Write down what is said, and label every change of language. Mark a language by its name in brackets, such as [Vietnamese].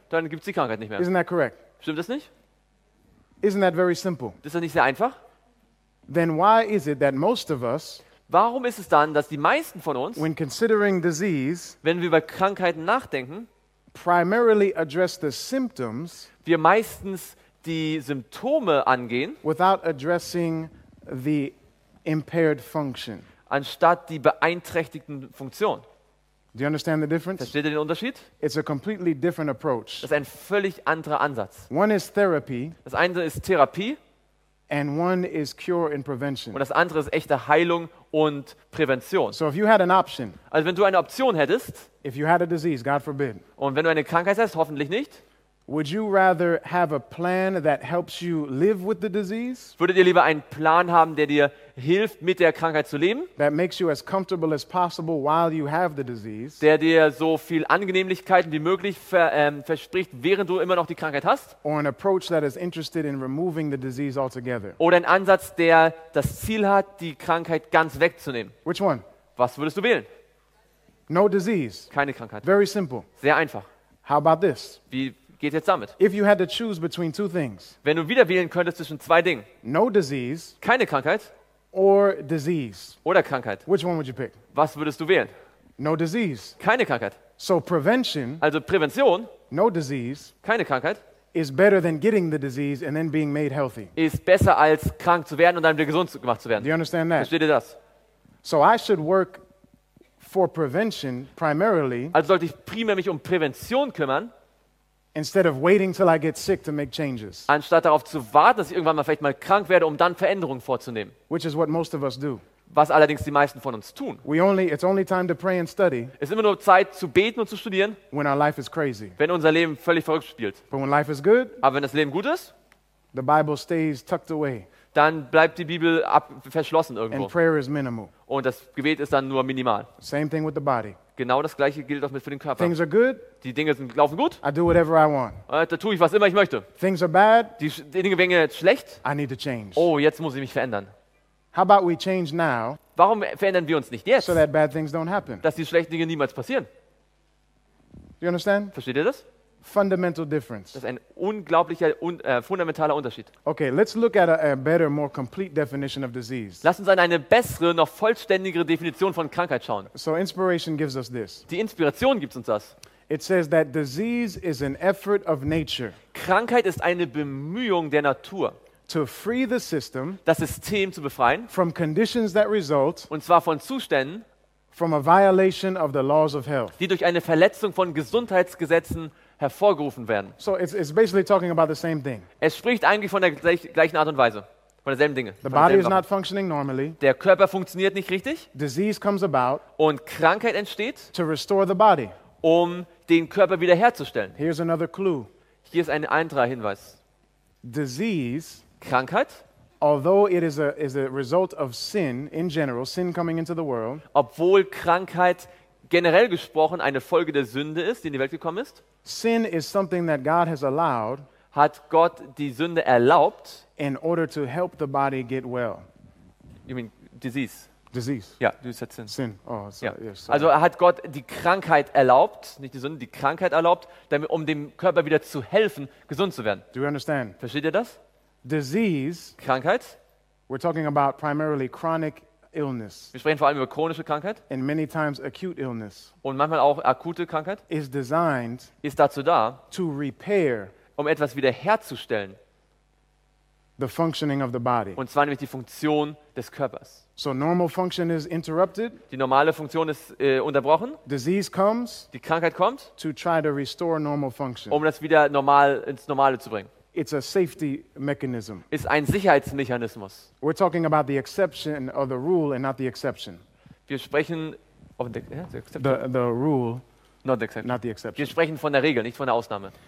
[German] Dann gibt's die Krankheit nicht mehr. [English] Isn't that correct? [German] Stimmt das nicht? [English] Isn't that very simple? [German] Ist das nicht sehr einfach? [English] Then why is it that most of us, [German] warum ist es dann, dass die meisten von uns, [English] when considering disease, [German] wenn wir über Krankheiten nachdenken, [English] primarily address the symptoms, [German] wir meistens die Symptome angehen, [English] without addressing the impaired function. [German] Anstatt die beeinträchtigten Funktion. [English] Do you understand the difference? [German] Versteht ihr den Unterschied? [English] It's a completely different approach. [German] Das ist ein völlig anderer Ansatz. [English] One is therapy. [German] Das eine ist Therapie. [English] And one is cure and prevention. [German] Und das andere ist echte Heilung und Prävention. [English] So if you had an option. [German] Also wenn du eine Option hättest. [English] If you had a disease, God forbid. [German] Und wenn du eine Krankheit hast, hoffentlich nicht. [English] Would you rather have a plan that helps you live with the disease? [German] Würdet ihr lieber einen Plan haben, der dir hilft, mit der Krankheit zu leben? [English] That makes you as comfortable as possible while you have the disease. [German] Der dir so viel Angenehmlichkeiten wie möglich verspricht, während du immer noch die Krankheit hast? [English] Or an approach that is interested in removing the disease altogether. [German] Oder ein Ansatz, der das Ziel hat, die Krankheit ganz wegzunehmen. [English] Which one? [German] Was würdest du wählen? [English] No disease. [German] Keine Krankheit. [English] Very simple. [German] Sehr einfach. [English] How about this? [German] Wie geht jetzt damit? [English] If you had to choose between two things. [German] Wenn du wieder wählen könntest zwischen zwei Dingen. [English] No disease. [German] Keine Krankheit. [English] Or disease. [German] Oder Krankheit. [English] Which one would you pick? [German] Was würdest du wählen? [English] No disease. [German] Keine Krankheit. [English] So prevention. [German] Also Prävention. [English] No disease. [German] Keine Krankheit. [English] Is better than getting the disease and then being made healthy. [German] Ist besser als krank zu werden und dann wieder gesund gemacht zu werden. [English] Do you understand that? [German] Versteht ihr das? [English] So I should work for prevention primarily. [German] Also sollte ich primär mich um Prävention kümmern. [English] Instead of waiting till I get sick to make changes. [German] Anstatt darauf zu warten, dass ich irgendwann mal vielleicht mal krank werde, um dann Veränderungen vorzunehmen. [English] Which is what most of us do. [German] Was allerdings die meisten von uns tun. [English] It's only time to pray and study. [German] Ist immer nur Zeit zu beten und zu studieren. [English] When our life is crazy. [German] Wenn unser Leben völlig verrückt spielt. [English] But when life is good. [German] Aber wenn das Leben gut ist. [English] The Bible stays tucked away. [German] Dann bleibt die Bibel verschlossen irgendwo. [English] And prayer is minimal. [German] Und das Gebet ist dann nur minimal. [English] Same thing with the body. [German] Genau das gleiche gilt auch für den Körper. [English] Things are good. [German] Die Dinge laufen gut. [English] I do whatever I want. [German] Da tue ich, was immer ich möchte. [English] Things are bad. [German] Die Dinge werden jetzt schlecht. [English] I need to change. [German] Oh, jetzt muss ich mich verändern. [English] How about we change now? [German] Warum verändern wir uns nicht jetzt? [English] So that bad things don't happen. [German] Dass die schlechten Dinge niemals passieren. [English] Do you understand? [German] Versteht ihr das? [English] Fundamental difference. [German] Das ist ein unglaublicher fundamentaler Unterschied. [English] Okay, let's look at a better, more complete definition of disease. [German] Lass uns an eine bessere, noch vollständigere Definition von Krankheit schauen. [English] So inspiration gives us this. [German] Die Inspiration gibt uns das. [English] It says that disease is an effort of nature. [German] Krankheit ist eine Bemühung der Natur. [English] To free the system. [German] Das System zu befreien. [English] From conditions that result. [German] Und zwar von Zuständen. [English] From a violation of the laws of health. [German] Die durch eine Verletzung von Gesundheitsgesetzen hervorgerufen werden. [English] So it's basically talking about the same thing. [German] Es spricht eigentlich von der gleichen Art und Weise, von derselben Dinge. [English] The body is not functioning normally. [German] Der Körper funktioniert nicht richtig. [English] Disease comes about. [German] Und Krankheit entsteht. [English] To restore the body. [German] Um den Körper wiederherzustellen. [English] Here's another clue. [German] Hier ist ein anderer Hinweis. [English] Disease. [German] Krankheit. [English] Although it is a result of sin in general, sin coming into the world. [German] Obwohl Krankheit generell gesprochen eine Folge der Sünde ist, die in die Welt gekommen ist. [English] Sin is something that God has allowed. [German] Hat Gott die Sünde erlaubt? [English] In order to help the body get well. You mean disease? Disease. [German] Ja, du sagst Sin. [English] Sin. Oh, sorry. Ja. Yes, sorry. [German] Also hat Gott die Krankheit erlaubt, nicht die Sünde, die Krankheit erlaubt, damit, um dem Körper wieder zu helfen, gesund zu werden. [English] Do you understand? [German] Versteht ihr das? [English] Disease. [German] Krankheit. [English] We're talking about primarily chronic illness. [German] Wir sprechen vor allem über chronische Krankheit. [English] And many times acute illness. [German] Und manchmal auch akute Krankheit. [English] Is designed. [German] Ist dazu da. [English] To repair. [German] Um etwas wiederherzustellen. [English] The functioning of the body. [German] Und zwar nämlich die Funktion des Körpers. [English] So normal function is interrupted. [German] Die normale Funktion ist unterbrochen. [English] Disease comes. [German] Die Krankheit kommt. [English] To try to restore normal function. [German] Um das wieder normal ins Normale zu bringen. [English] It's a safety mechanism. [German] Ist ein Sicherheitsmechanismus. [English] We're talking about the exception or the rule and not the exception. [German] Wir sprechen [English] of the exception. The rule, not the exception. Not the exception. [German] Wir sprechen von der Regel, nicht von der Ausnahme.